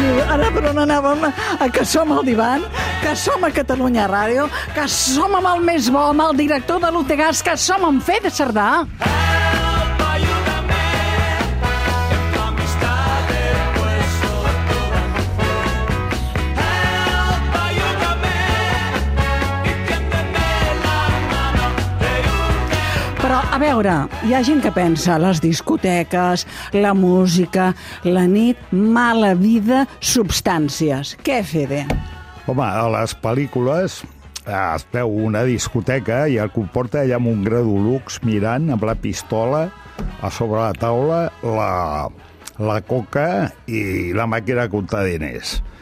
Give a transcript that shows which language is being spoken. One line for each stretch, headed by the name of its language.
Catalan: Ara per on anàvem, que som al divan, que som a Catalunya Ràdio, que som amb el més bo, amb el director de l'Utegas, que som amb Fede Cerdà.
Spanish: Help, ayúdame, en tu amistad he puesto toda mi fe. Help, ayúdame, y tiéndeme la mano de un que...
Catalan: Però, a veure, hi ha gent que pensa, les discoteques, la música, la nit, mala vida, substàncies. Què, Fede? Home, a les pel·lícules es veu una discoteca i el comporta allà amb un gradolux mirant amb la pistola a sobre la taula la coca i la màquina de comptar diners.